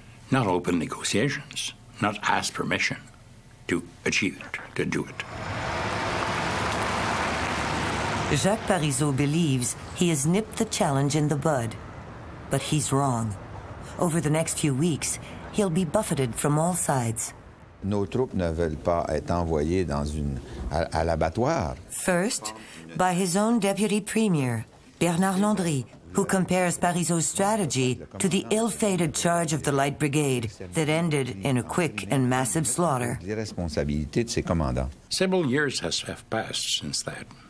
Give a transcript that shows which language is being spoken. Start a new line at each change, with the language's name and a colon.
English: not open negotiations, not ask permission to achieve it, to do it. Jacques Parizeau believes he has nipped the challenge in the bud, but he's wrong. Over the next few weeks, he'll be buffeted from all sides.
French: Nos troupes ne veulent pas être envoyées dans une à l'abattoir.
English: First, by his own deputy premier, Bernard Landry, who compares Parizeau's strategy to the ill-fated charge of the Light Brigade that ended in a quick and massive slaughter.
French: L'irresponsabilité de ses commandants.
English: Several years have passed since that.